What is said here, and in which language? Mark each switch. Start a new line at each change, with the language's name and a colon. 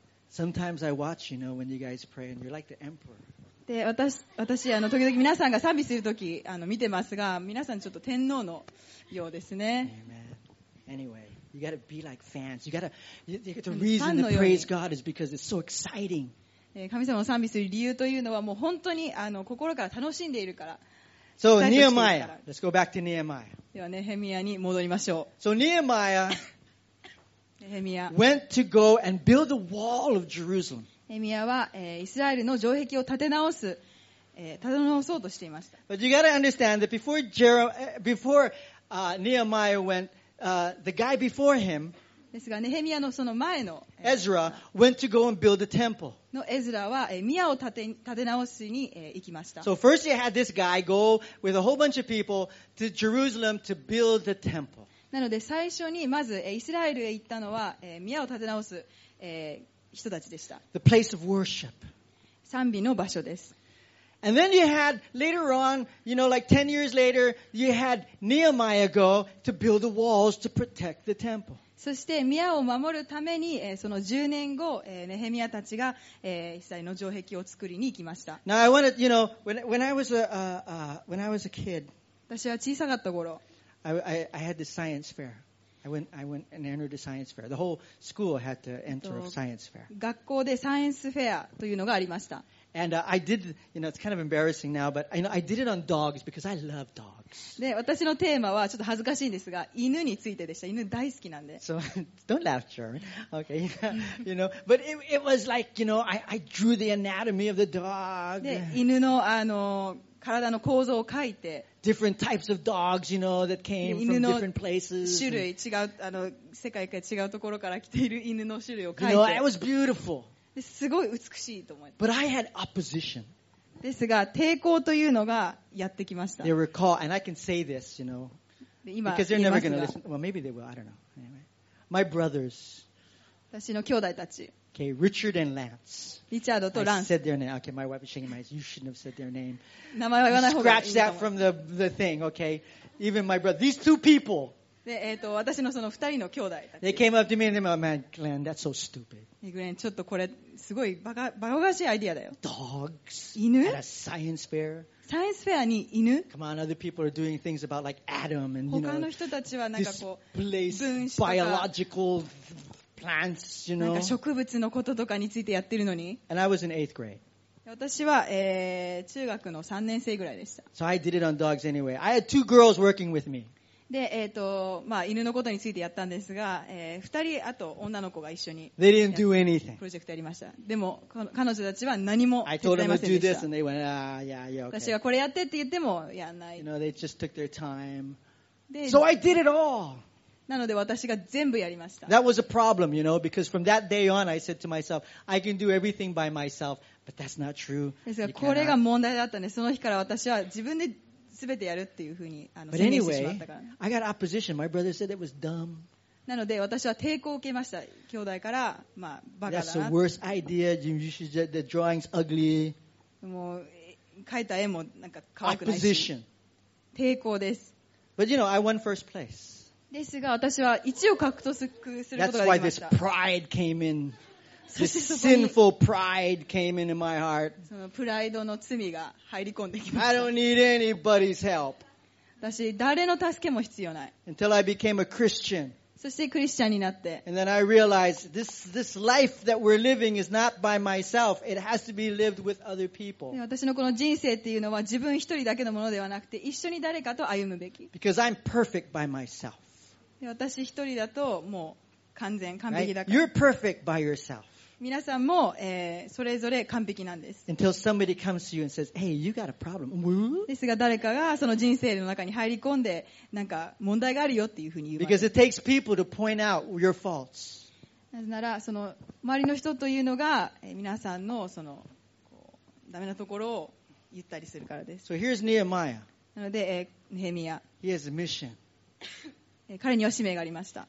English: Sometimes I watch, you know, when you guys pray, and you're like the emperor.
Japanese: で、私あの時々皆さんが賛美するとき見てますが、皆さんちょっと天皇のようですね。
English: Amen. Anyway, you gotta be like fans. The reason to praise God is because it's so exciting.
Japanese: 神様を賛美する理由というのはもう本当に心から楽しんでいるから。
English: So Nehemiah, let's go back to Nehemiah.
Japanese: ではネヘミヤに戻りましょう。
English: So Nehemiah. Went to go and build the wall of Jerusalem.
Japanese: Nehemiah は、イスラエルの城壁を立て直そうとしていました。
English: But you got to understand that before Nehemiah went, the guy before him,
Japanese: ですがネヘミヤのその前の
English: Ezra went to go and build the temple.
Japanese: のエズラは、宮を立て直しに、行きました。
English: So first he had this guy go with a whole bunch of people to Jerusalem to build the temple.
Japanese: なので最初にまずイスラエルへ行ったのは宮を建て直す人たちでした。
English: The place of worship.
Japanese: 賛美の場所です。
English: And then you had later on, you know, like 10 years later, you had Nehemiah go to build the walls to protect the temple.
Japanese: そして宮を守るためにその10年後ネヘミヤたちがイスラエルの城壁を作りに行きました。
English: Now I wanted, you know, when I was a kid.
Japanese: 私は小さかった頃。
English: I had the science fair. I went and entered the science fair. The whole school had to enter a science fair.
Japanese: 学校でサイエンスフェアというのがありました。
English: And I did, you know, it's kind of embarrassing now, but you know, I did it on dogs because I love dogs.
Japanese: で、私のテーマはちょっと恥ずかしいんですが、犬についてでした。犬大好きなんで。
English: So don't laugh, Jeremy. Okay, you know, but it was like, you know, I drew the anatomy of the dog.
Japanese: で、犬の体の構造を描いて、
English: different types of dogs, you know, that came from different places.
Japanese: 種類違う世界から違うところから来ている犬の種類を描いて、
English: you know, it was beautiful.
Japanese: すごい美しいと思います。
English: But I had opposition.
Japanese: ですが抵抗というのがやってきました。
English: They were called, and I can say this, you know, because they're never going to listen. Well, maybe they will. I don't know. Anyway, my brothers.
Japanese: 私の兄弟たち。
English: Okay, Richard and Lance. Richard and Lance. I said their name. Okay, my wife is shaking my head. You shouldn't have said their name.
Japanese: 名前は言わない方がいい。
English: Scratch that from the thing, okay? Even my brother. These two people.
Japanese: で、私のその二人の兄弟たち。
English: They came up to me and they went, "Man, Glenn, that's so stupid."
Japanese: Glenn, ちょっとこれすごいバカバカしいアイデアだよ。
English: Dogs.
Japanese: 犬?
English: At a science fair.
Japanese: Science fair に犬?
English: Come on, other people are doing things about like Adam and you know.
Japanese: 他の人たちはなんかこう分子とか
English: biological. Plants, you know?
Japanese: なんか植物のこととかについてやってるのに。
English: And I was in eighth grade.
Japanese: 私は、中学の3年生ぐらいでした。
English: So I did it on dogs anyway. I had two girls working with me.
Japanese: で、まあ、犬のことについてやったんですが、2人あと女の子が一緒に。
English: They didn't do anything.
Japanese: プロジェクトやりました。でも、彼女たちは何も手伝いませんでした。
English: I told them to do this and they went, ah, yeah, yeah, okay.
Japanese: 私がこれやってって言ってもやんない。
English: You know, they just took their time. で、So I did it all!
Japanese: なので私が全部やりました。
English: That was a problem, you know, because from that day on, I said to myself, I can do everything by myself, but that's not true.
Japanese: ですが、これが問題だったんで、その日から私は自分で全てやるっていうふうに宣言してしまったから。
English: I got opposition. My brother said it was dumb.
Japanese: なので私は抵抗を受けました。兄弟から、まあ、バカだな。
English: That's the worst idea. You should say the drawing's ugly.
Japanese: もう、描いた絵もなんか可愛くないし。
English: Opposition.
Japanese: 抵抗です。
English: But you know, I won first place.
Japanese: ですが私は一を獲得することができました。
English: That's why this pride came in. This sinful pride came into my heart.
Japanese: そのプライドの罪が入り込んできました。
English: I don't need anybody's help.
Japanese: 私誰の助けも必要ない。
English: Until I became a Christian.
Japanese: そしてクリスチャンになって。
English: And then I realized this life that we're living is not by myself. It has to be lived with other people.
Japanese: 私のこの人生っていうのは自分一人だけのものではなくて一緒に誰かと歩むべき。
English: Because I'm perfect by myself.
Japanese: 私一人だともう完全完璧だから、
English: right? You're perfect by yourself.
Japanese: 皆さんも、それぞれ完璧なんです。
English: Until somebody comes to you and says, hey, you got a problem.
Japanese: ですが誰かがその人生の中に入り込んでなんか問題があるよっていうふうに言う。
English: Because it takes people to point out your faults.
Japanese: なぜならその周りの人というのが皆さんのそのこうダメなところを言ったりするからです。
English: So here's Nehemiah.
Japanese: なので、ネヘミヤ。
English: He has a mission.
Japanese: 彼には使命がありました。